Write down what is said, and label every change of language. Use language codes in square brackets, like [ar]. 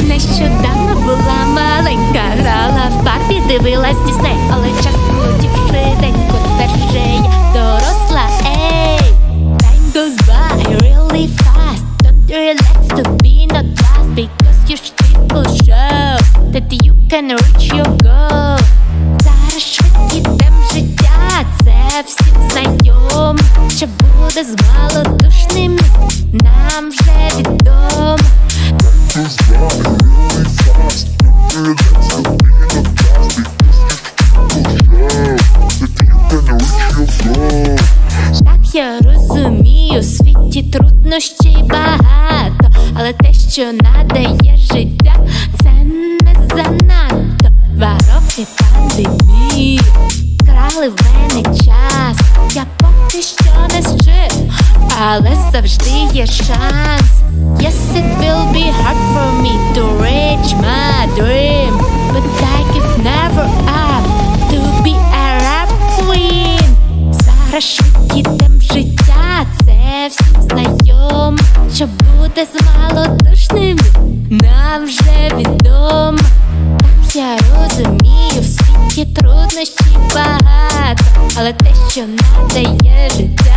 [ru] еще давно была маленькая, играла в Барби, [uk] дивилась Дисней, але час молодів швиденько вперше я доросла, ей! [en] Time goes by really fast, don't you like to be not last, because you people show that you can reach your goal. [uk] Зараз швидкий темп життя, це всім знайом, що буде з малодушним, нам вже відомо. Так я розумію, у світі труднощей багато, але те, що надає життя, це не занадто. Два роки пандемії крали в мене час. Я поки що не зжив, але завжди є шанс. [en] Yes, it will be hard for me to reach my dream, but I could never up to be a rap queen. [uk] Зараз швидкий темп життя, це всім знайом, що буде з малодушним, нам вже відомо. Так я розумію, в світі труднощів багато, але те, що надає життя,